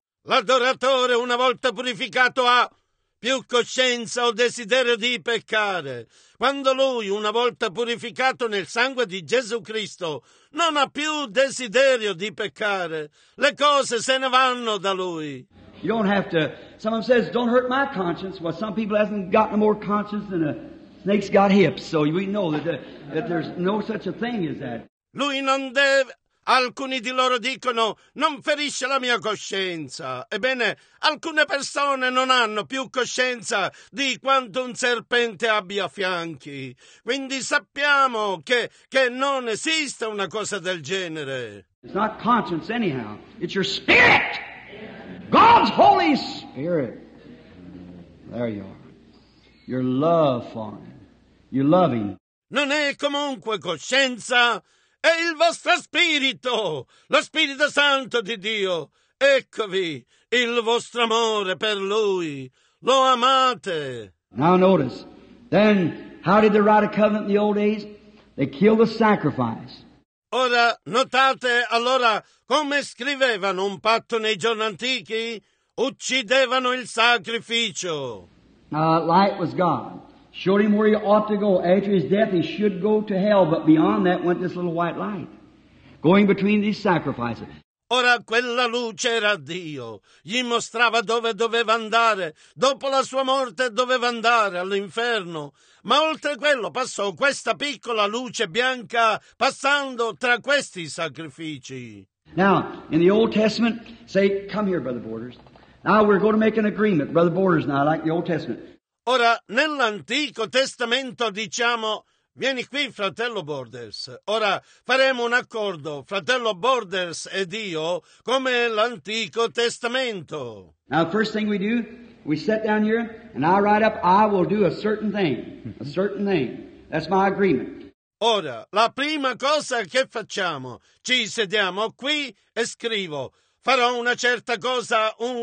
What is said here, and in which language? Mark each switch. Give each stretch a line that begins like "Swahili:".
Italian: L'adoratore una volta purificato ha più coscienza o desiderio di peccare. Quando lui, una volta purificato nel sangue di Gesù Cristo, non ha più desiderio di peccare, le cose se ne vanno da lui.
English: You don't have to. Someone says, "Don't hurt my conscience." Well, some people haven't gotten more conscience than a snake's got hips. So we know that there's no such a thing as that.
Italian: Lui non deve. Alcuni di loro dicono, non ferisce la mia coscienza. Ebbene, alcune persone non hanno più coscienza di quanto un serpente abbia fianchi. Quindi sappiamo che non esiste una cosa del genere.
English: It's not conscience anyhow. It's your spirit. God's Holy Spirit. There you are. Your love for him. Your loving.
Italian: Non è comunque coscienza. È il vostro spirito, lo Spirito Santo di Dio. Eccovi il vostro amore per Lui. Lo amate.
English: Now notice, then how did they write a covenant in the old days? They killed the sacrifice.
Italian: Ora notate allora come scrivevano un patto nei giorni antichi? Uccidevano il sacrificio.
English: Now light was God. Showed him where he ought to go. After his death, he should go to hell. But beyond that went this little white light, going between these sacrifices.
Italian: Ora quella luce era Dio. Gli mostrava dove doveva andare. Dopo la sua morte doveva andare all'inferno. Ma oltre quello passò questa piccola luce bianca passando tra questi sacrifici.
English: Now, in the Old Testament, say, come here, Brother Borders. Now we're going to make an agreement, Brother Borders, now, like the Old Testament.
Italian: Ora, nell'Antico Testamento diciamo, vieni qui, fratello Borders. Ora, faremo un accordo, fratello Borders e Dio, come l'Antico Testamento.
English: Now, the first thing we do, we sit down here, and I write up, I will do a certain thing. That's my agreement.
Italian: Ora, la prima cosa che facciamo, ci sediamo qui e scrivo, farò una certa cosa.